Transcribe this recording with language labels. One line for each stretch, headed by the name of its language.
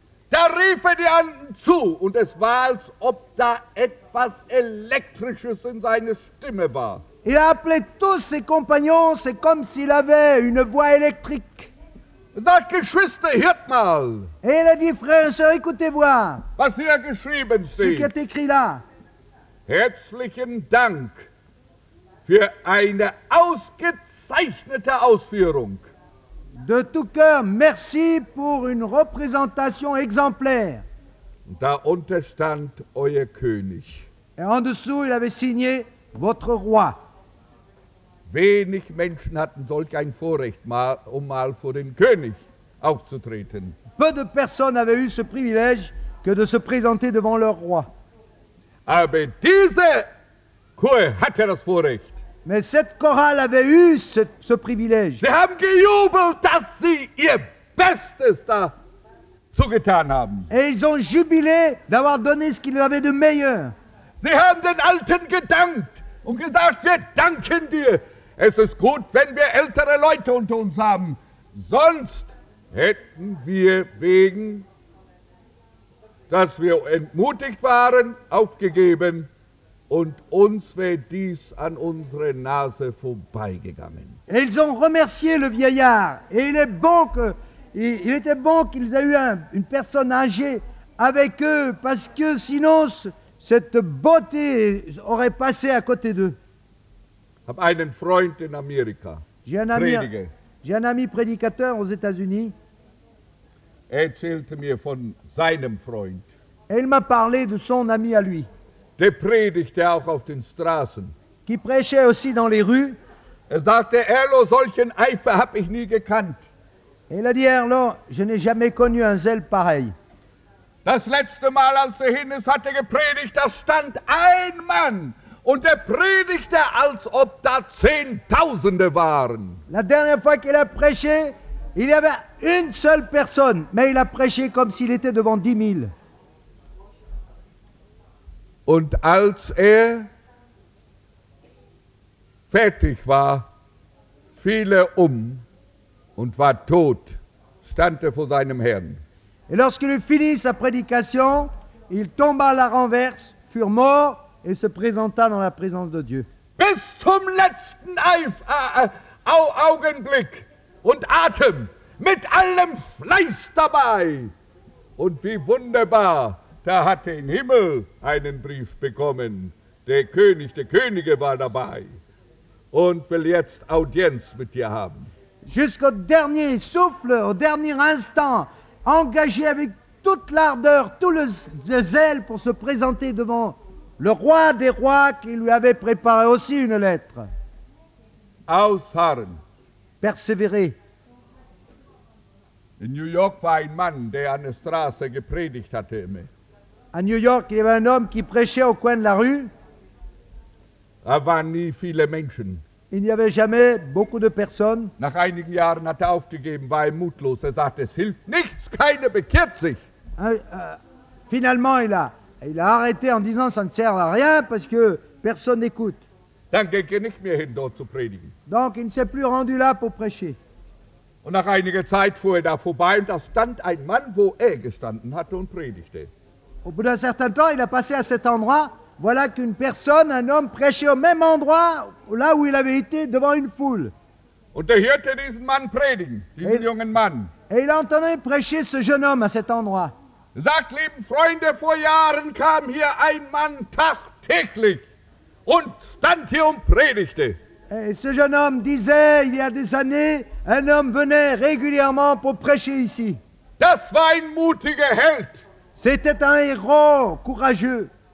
German: da rief er die anderen zu und es war, als ob da etwas Elektrisches in seiner Stimme war.
French: Il a appelé tous ses compagnons, c'est comme s'il avait une voix électrique.
German: Sagt, Geschwister, hört mal.
French: Et il a dit, frères et sœurs, écoutez voir.
German: Was hier geschrieben steht.
French: Ce qui est écrit là.
German: Herzlichen Dank für eine ausgezeichnete Ausführung.
French: De tout cœur, merci pour une représentation exemplaire.
German: Da unterstand euer König.
French: Et en dessous, il avait signé votre roi.
German: Wenig Menschen hatten solch ein Vorrecht, mal vor den König aufzutreten.
French: Peu de personnes avaient eu ce privilège que de se présenter devant leur roi.
German: Aber diese Chor hatte das Vorrecht.
French: Mais cette chorale avait eu ce privilège.
German: Sie haben gejubelt, dass sie ihr Bestes da zugetan haben.
French: Et ils ont jubilé d'avoir donné ce qu'ils avaient de meilleur.
German: Sie haben den Alten gedankt und gesagt, wir danken dir. Es ist gut, wenn wir ältere Leute unter uns haben. Sonst hätten wir wegen, dass wir entmutigt waren, aufgegeben. Und uns wäre dies an unsere Nase vorbeigegangen.
French: Et ils ont remercié le vieillard. Et il était bon qu'ils aient eu une personne âgée avec eux, parce que sinon cette beauté aurait passé à côté d'eux.
German: Hab einen Freund in Amerika.
French: J'ai un ami prédicateur aux États-Unis.
German: Er erzählte mir von seinem Freund.
French: Et il m'a parlé de son ami à lui.
German: Der predigte auch auf den Straßen.
French: Qui prêchait aussi dans les rues.
German: Er sagte, Erlo, solchen Eifer habe ich nie gekannt.
French: Et il a dit, Erlo, je n'ai jamais connu un zèle pareil.
German: Das letzte Mal, als er hin ist, hat er gepredigt, da stand ein Mann. Und er predigte, als ob da Zehntausende waren.
French: La dernière fois qu'il a prêché, il y avait une seule personne, mais il a prêché comme s'il était devant 10 000.
German: Und als er fertig war, fiel er um und war tot, stand er vor seinem Herrn.
French: Et lorsqu'il eut fini sa prédication, il tomba à la renverse, fut mort et se présenta dans la présence de Dieu.
German: Bis zum letzten Augenblick und Atem, mit allem Fleiß dabei. Und wie wunderbar! Da hatte im Himmel einen Brief bekommen. Der König, der Könige war dabei und will jetzt Audienz mit dir haben.
French: Jusqu'au dernier souffle, au dernier instant, engagé avec toute l'ardeur, tout le zèle pour se présenter devant le roi des rois qui lui avait préparé aussi une lettre.
German: Ausharren.
French: Persévérer.
German: In New York war ein Mann, der an der Straße gepredigt hatte immer.
French: À New York, il y avait un homme qui prêchait au coin de la rue. Avant ni
German: viele Menschen.
French: Il n'y avait jamais beaucoup de personnes.
German: Nach einigen Jahren hat er aufgegeben, war er mutlos. Er sagte, es hilft nichts, keiner bekehrt sich.
French: Finalement, il a arrêté en disant, ça ne sert à rien parce que personne n'écoute.
German: Dann ging er nicht mehr hin, dort zu predigen.
French: Donc, il ne s'est plus rendu là pour prêcher.
German: Und nach einiger Zeit fuhr er da vorbei und da stand ein Mann, wo er gestanden hatte und predigte.
French: Au bout d'un certain temps, il a passé à cet endroit. Voilà qu'une personne, un homme, prêchait au même endroit, là où il avait été, devant une foule.
German: Und er hörte diesen Mann predigen, diesen jungen Mann.
French: Et il entendait prêcher ce jeune homme à cet endroit.
German: Sagt, lieben Freunde, vor Jahren kam hier ein Mann tagtäglich und stand hier und predigte.
French: Ce jeune homme disait, il y a des années, un homme venait régulièrement pour prêcher ici.
German: Das war ein mutiger Held.
French: C'était un héros courageux.